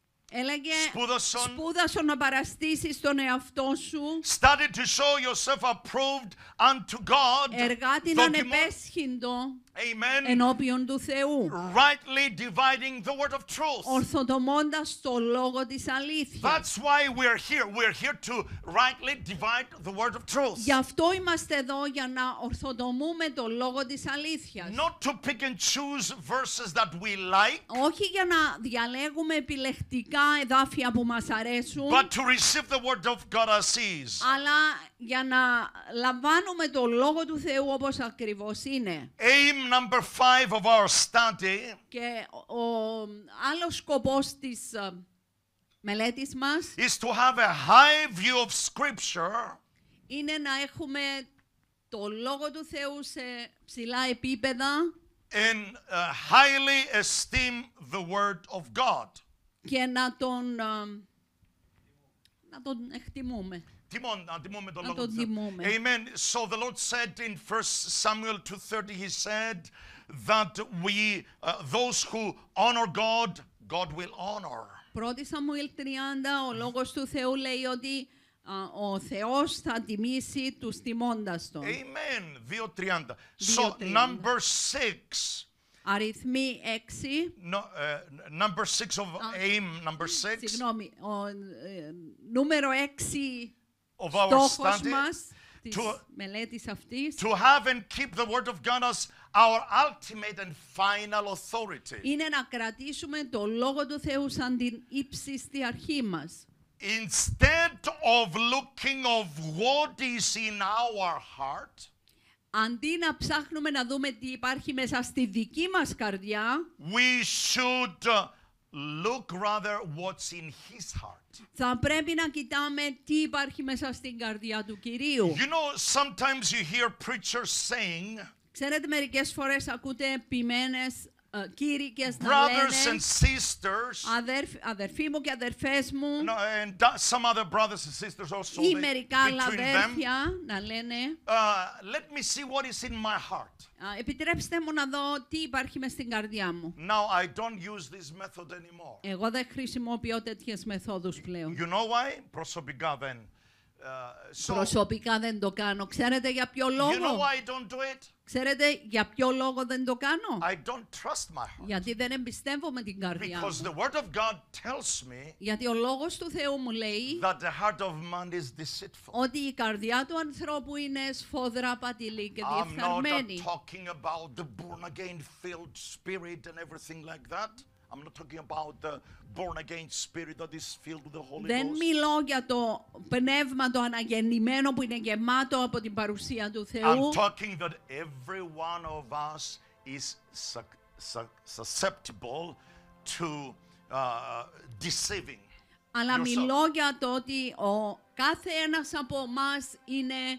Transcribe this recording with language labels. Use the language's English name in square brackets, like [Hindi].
[Greek] Έλεγε, σπούδασον να παραστήσεις τον εαυτό σου. [English] Study to show yourself approved unto God. [Greek] Εργάτη να είναι πέσχυντο. [English] Amen. [Greek] Ενώπιον του Θεού. [English] Rightly dividing the word of truth. [Greek] Ορθοτομώντας το λόγο της αλήθειας. [English] That's why we're here. We're here to rightly divide the word of truth. [Greek] Γι' αυτό είμαστε εδώ, για να ορθοτομούμε το λόγο της αλήθειας. [English] Not to pick and choose verses that we like. [Greek] Όχι για να διαλέγουμε επιλεκτικά εδάφια που μας αρέσουν. [English] But to receive the word of God as is. [Greek] Αλλά για να λαμβάνουμε το λόγο του Θεού όπως ακριβώς είναι. [English] Aim number five of our study. [Greek] Και ο άλλος σκοπός της μελέτης μας [English] is to have a high view of Scripture. [Greek] Είναι να έχουμε το λόγο του Θεού σε ψηλά επίπεδα. [English] And highly esteem the Word of God. [Greek] Και να τον να τον εκτιμούμε. Τιμών, να τιμούμε τον λόγο του Θεού. [English] Amen. So the Lord said in 1 Samuel 2:30, He said that we, those who honor God, God will honor. [Greek] 1 Samuel 30, ο λόγος του Θεού λέει ότι ο Θεός θα τιμήσει τους τιμώντας τον. [English] Amen. 2:30. So number 6. [Greek] Αριθμή 6. [English] No, number 6 of aim, number 6. [Greek] Συγγνώμη. Νούμερο 6. [English] Of our study, [Greek] μας, to, μελέτης αυτής, [English] to have and keep the word of God as our ultimate and final authority. [Greek] Είναι να κρατήσουμε το λόγο του Θεού σαν την ύψιστη αρχή μας. [English] Instead of looking of what is in our heart, [Greek] αντί να ψάχνουμε να δούμε τι υπάρχει μέσα στη δική μας καρδιά, [English] we should look rather what's in his heart. [Greek] Θα πρέπει να κοιτάμε τι υπάρχει μέσα στην καρδιά του Κυρίου. [English] You know, sometimes you hear preachers saying, [Greek] ξέρετε, μερικές φορές ακούτε ποιμένες κήρυκες [English] brothers [Greek] να λένε, [English] and sisters, [Greek] αδερφοί μου και αδερφές μου, [English] no, and some other brothers and sisters also, [Greek] ή μερικά άλλα αδέρφια να λένε, [English] let me see what is in my heart. [Greek] Επιτρέψτε μου να δω τι υπάρχει μέσα στην καρδιά μου. [English] Now, I don't use this method anymore. [Greek] Εγώ δεν χρησιμοποιώ τέτοιες μεθόδους πλέον. [English] You know why? [Greek] Προσωπικά δεν. Προσωπικά δεν το κάνω. Ξέρετε για ποιο λόγο? [English] You know why I don't do it? [Greek] Ξέρετε για ποιο λόγο δεν το κάνω? [English] I don't trust my heart. [Greek] Γιατί δεν εμπιστεύω με την καρδιά μου. [English] Because the word of God tells me, [Greek] γιατί ο λόγος του Θεού μου λέει, [English] that the heart of man is deceitful. [Greek] Ότι η καρδιά του ανθρώπου είναι σφοδρά, απατηλή και διεφθαρμένη. [English] I'm not talking about the born again filled spirit and everything like that. I'm not talking about the born again spirit that is filled with the Holy Ghost. [Greek] Δεν μιλώ για το πνεύμα το αναγεννημένο που είναι γεμάτο από την παρουσία του Θεού. [English] I'm talking that every one of us is susceptible to deceiving. [Greek] Αλλά μιλώ για το ότι ο κάθε ένας από μας είναι,